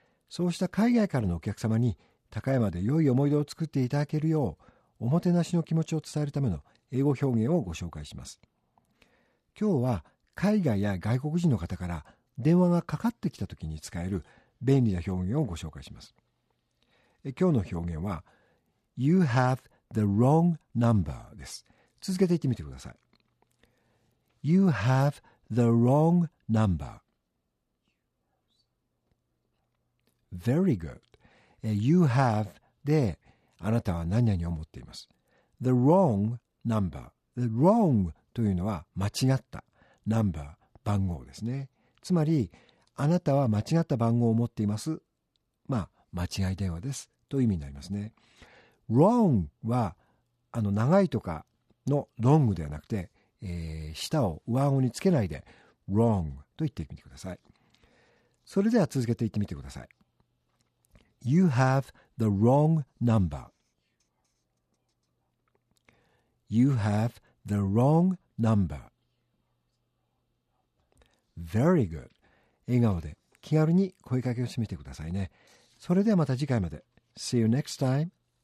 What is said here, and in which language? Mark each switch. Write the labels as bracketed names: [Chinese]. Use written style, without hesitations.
[Japanese] そうした海外からのお客様に高山で良い思い出を作っていただけるよう、おもてなしの気持ちを伝えるための英語表現をご紹介します。今日は海外や外国人の方から電話がかかってきた時に使える便利な表現をご紹介します。今日の表現は、 [English] You have the wrong number [Japanese] です。続けて言ってみてください。 [English] You have the wrong number. Very good. You have [Japanese] で、あなたは何々を持っています。 [English] The wrong number. The wrong [Japanese] というのは間違った。Number、番号ですね。つまり、あなたは間違った番号を持っています。まあ、間違い電話です。という意味になりますね。 Wrong は長いとかの long ではなくて、舌を上顎につけないで wrong と言ってみてください。それでは続けて言ってみてください。 [English] You have the wrong number. You have the wrong number. Very good. [Japanese] 笑顔で気軽に声かけをしてみてくださいね。それではまた次回まで。 [English] See you next time.